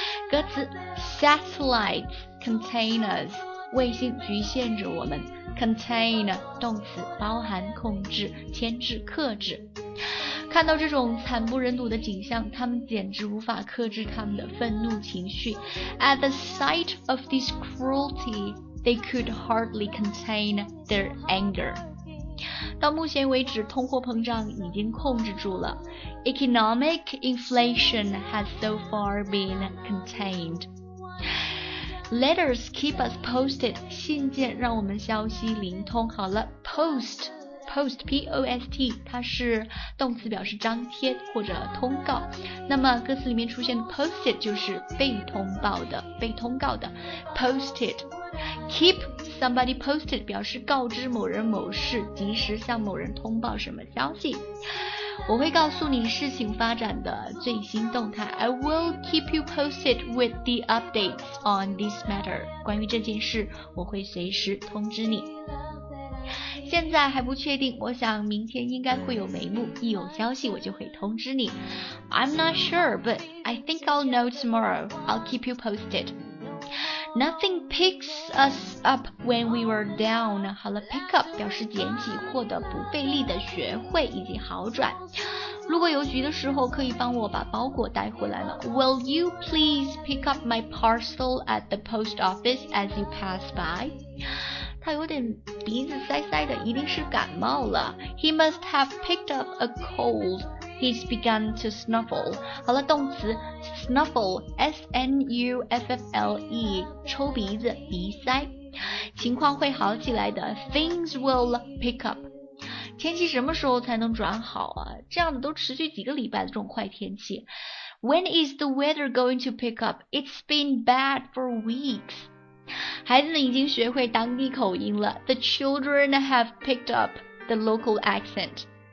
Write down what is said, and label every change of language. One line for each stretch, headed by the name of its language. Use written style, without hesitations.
Chinese: 歌词
English: Satellites contain us，
Chinese: 卫星局限着我们。 Contain 动词，包含、控制、牵制、克制。看到这种惨不忍睹的景象，他们简直无法克制他们的愤怒情绪。
English: At the sight of this cruelty, they could hardly contain their anger.
Chinese: 到目前为止，通货膨胀已经控制住了。
English: Economic inflation has so far been contained. Letters keep us posted.
Chinese: 信件让我们消息灵通。好了， post, post, P-O-S-T, 它是动词，表示张贴或者通告。那么歌词里面出现 posted 就是被通报的，被通告的。Posted.
English: Keep somebody posted
Chinese: 表示告知某人某事，及时向某人通报什么消息。我会告诉你事情发展的最新动态。
English: I will keep you posted with the updates on this matter.
Chinese: 关于这件事，我会随时通知你。现在还不确定，我想明天应该会有眉目，一有消息我就会通知你。
English: I'm not sure, but I think I'll know tomorrow. I'll keep you posted. Nothing picks us up when we were down.
Chinese: 好了， pick up 表示捡起，获得不费力的学会以及好转。路过邮局的时候，可以帮我把包裹带回来吗？
English: Will you please pick up my parcel at the post office as you pass by?
Chinese: 他有点鼻子塞塞的，一定是感冒了。
English: He must have picked up a cold. He's begun to snuffle.
Chinese: 好了，动词 snuffle, S-N-U-F-F-L-E, 抽鼻子，鼻塞。情况会好起来的，
English: things will pick up.
Chinese: 天气什么时候才能转好啊？这样的都持续几个礼拜的这种坏天气。
English: When is the weather going to pick up? It's been bad for weeks.
Chinese: 孩子们已经学会当地口音了。
English: The children have picked up the local accent.